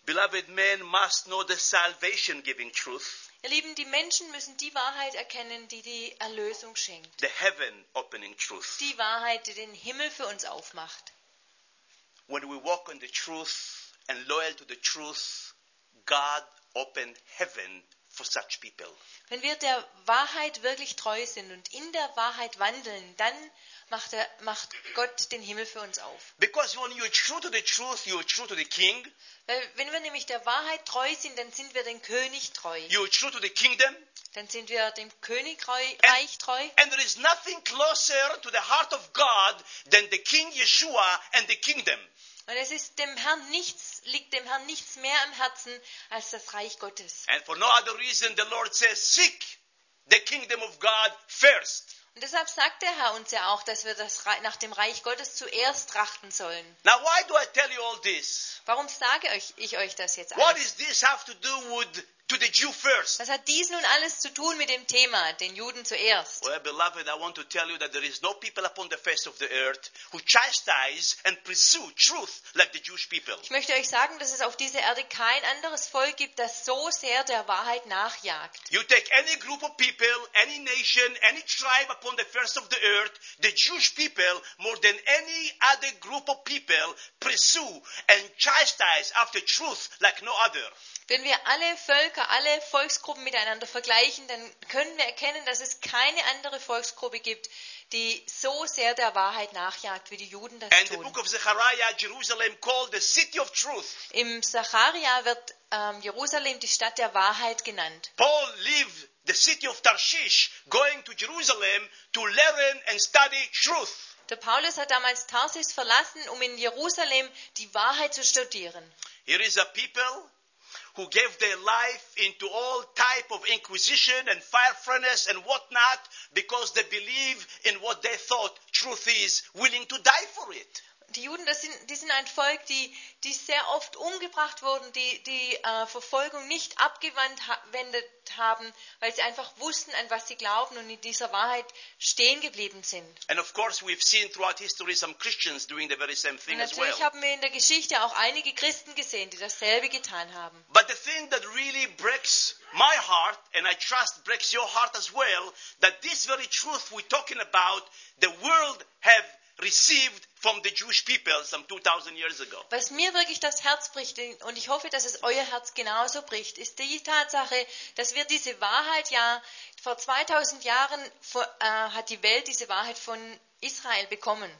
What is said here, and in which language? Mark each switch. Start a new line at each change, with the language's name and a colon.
English: Beloved men must know the salvation-giving truth.
German: Ihr Lieben, die Menschen müssen die Wahrheit erkennen, die die Erlösung schenkt.
English: The heaven-opening truth.
German: Die Wahrheit, die den Himmel für uns aufmacht.
English: When we walk in the truth and loyal to the truth, God open heaven for such people.
German: Wenn wir der Wahrheit wirklich treu sind und in der Wahrheit wandeln, dann macht Gott den Himmel für uns auf.
English: Because when you're true to the truth, you're true to the king.
German: Weil wenn wir nämlich der Wahrheit treu sind, dann sind wir dem König treu.
English: You're true to the kingdom.
German: Dann sind wir dem Königreich treu.
English: And there is nothing closer to the heart of God than the King Yeshua and the kingdom.
German: Und es ist dem Herrn nichts, liegt dem Herrn nichts mehr am Herzen als das Reich Gottes.
English: And for no other reason the Lord says, seek the kingdom of God first.
German: Und deshalb sagt der Herr uns ja auch, dass wir das nach dem Reich Gottes zuerst trachten sollen.
English: Now why do I tell you all this?
German: Warum sage ich euch das jetzt alles?
English: What does this have to do with to the Jew first?
German: Was hat dies nun alles zu tun mit dem Thema, den Juden zuerst?
English: Well, beloved, I want to tell you that there is no people upon the face of the earth who chastise and pursue truth like the Jewish people.
German: Ich möchte euch sagen, dass es auf dieser Erde kein anderes Volk gibt, das so sehr der Wahrheit nachjagt.
English: You take any group of people, any nation, any tribe upon the face of the earth, the Jewish people, more than any other group of people, pursue and chastise after truth like no other.
German: Wenn wir alle Völker, alle Volksgruppen miteinander vergleichen, dann können wir erkennen, dass es keine andere Volksgruppe gibt, die so sehr der Wahrheit nachjagt, wie die Juden das tun.
English: The book of Zechariah, Jerusalem called the city of truth.
German: Im Zacharia wird Jerusalem die Stadt der Wahrheit genannt.
English: Paul lived the city of Tarshish, going to Jerusalem to learn and study truth.
German: Der Paulus hat damals Tarsis verlassen, um in Jerusalem die Wahrheit zu studieren.
English: Here is a people who gave their life into all type of inquisition and fire furnace and whatnot because they believe in what they thought truth is, willing to die for it.
German: Die Juden, die sind ein Volk, die sehr oft umgebracht wurden, die Verfolgung nicht abgewendet haben, weil sie einfach wussten, an was sie glauben und in dieser Wahrheit stehen geblieben sind.
English: And of course we've seen throughout history some Christians doing the very same thing as well.
German: Und natürlich haben wir in der Geschichte auch einige Christen gesehen, die dasselbe getan haben.
English: But the thing that really breaks my heart, and I trust breaks your heart as well, that this very truth we're talking about, the world have received from the Jewish people some 2000 years ago.
German: Was mir wirklich das Herz bricht, und ich hoffe, dass es euer Herz genauso bricht, ist die Tatsache, dass wir diese Wahrheit ja vor 2000 Jahren hat die Welt diese Wahrheit von Israel bekommen.